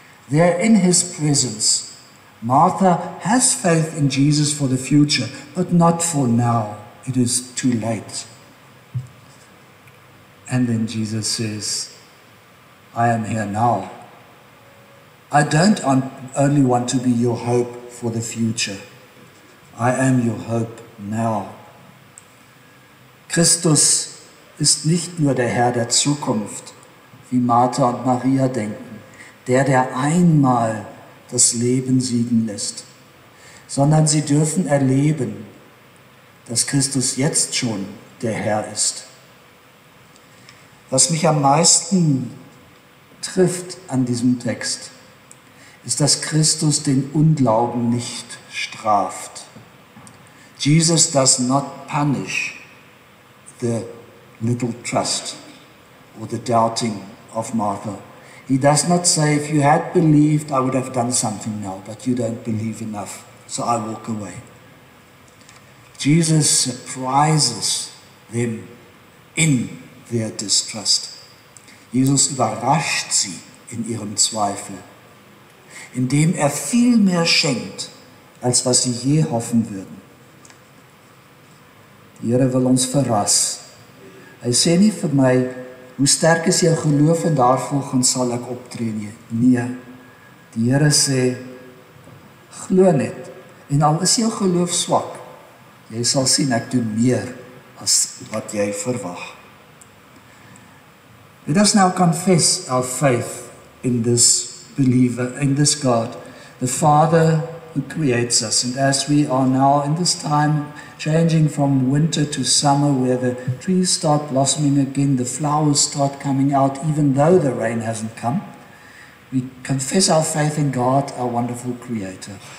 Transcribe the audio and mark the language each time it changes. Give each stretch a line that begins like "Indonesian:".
English: They're in his presence. Martha has faith in Jesus for the future, but not for now. It is too late. And then Jesus says, I am here now. I don't only want to be your hope for the future. I am your hope now.
German: Christus ist nicht nur der Herr der Zukunft, wie Martha und Maria denken. Der einmal das Leben siegen lässt, sondern sie dürfen erleben, dass Christus jetzt schon der Herr ist. Was mich am meisten trifft an diesem Text, ist, dass Christus den Unglauben nicht straft.
English: Jesus does not punish the little trust or the doubting of Martha. He does not say, if you had believed, I would have done something now, but you don't believe enough, so I walk away. Jesus surprises them in their distrust.
German: Jesus überrascht sie in ihrem Zweifel, indem er viel mehr schenkt, als was sie je hoffen würden.
Afrikaans: Die Heere wil ons verras. Hy sê nie vir my, hoe sterk is jou geloof en daarvolgens sal ek optree nie. Nee, die Heere sê, glo net, en al is jou geloof swak, jy sal sien, ek doe meer as wat jy verwag.
English: Let us now confess our faith in this believer, in this God, the Father who creates us. And as we are now in this time, changing from winter to summer, where the trees start blossoming again, the flowers start coming out, even though the rain hasn't come, we confess our faith in God, our wonderful Creator.